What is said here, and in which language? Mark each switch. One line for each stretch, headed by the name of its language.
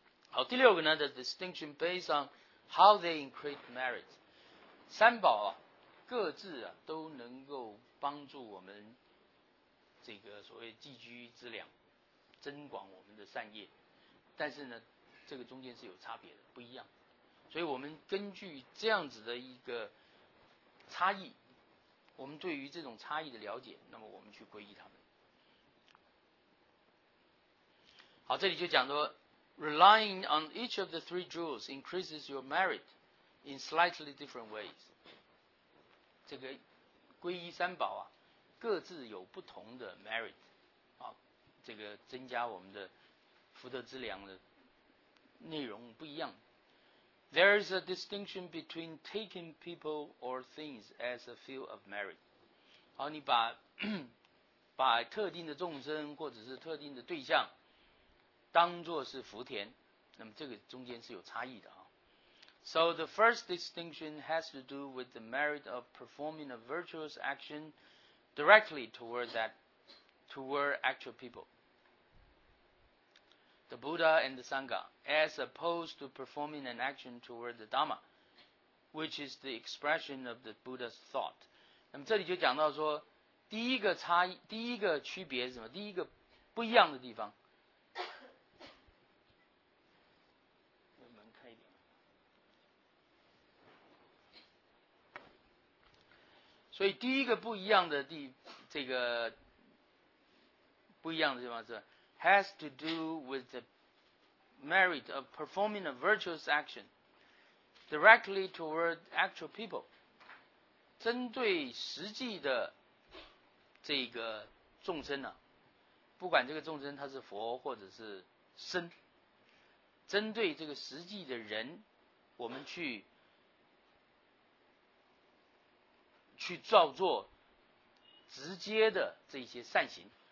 Chinese: 好，第六个呢 ，
English: the distinction based on how they increase merit，
Chinese: 三宝啊，各自啊都能够帮助我们这个所谓积聚资粮，增广我们的善业，但是呢，这个中间是有差别的，不一样。所以我们根据这样子的一个差异，我们对于这种差异的了解，那么我们去皈依他们。好，这里就讲说
English: relying on each of the three jewels increases your merit in slightly different ways。
Chinese: 这个皈依三宝啊，各自有不同的 merit 啊，这个增加我们的福德资粮的内容不一样。
English: There is a distinction between taking people or things as a field of merit。
Chinese: 好，你把特定的众生或者是特定的对象当作是福田，那么这个中间是有差异的啊。
English: So the first distinction has to do with the merit of performing a virtuous action directly toward actual people。 The Buddha and the Sangha, as opposed to performing an action toward the Dhamma, which is the expression of the Buddha's thought.
Chinese: 那么这里就讲到说，第一个区别是什么？第一个不一样的地方。门开一点。所以第一个不一样的地方是。
English: Has to do with the merit of performing a virtuous action directly toward actual people.
Chinese: 针对实际的这个众生啊，不管这个众生他是佛或者是僧，针对这个实际的人，我们去造作直接的这些善行。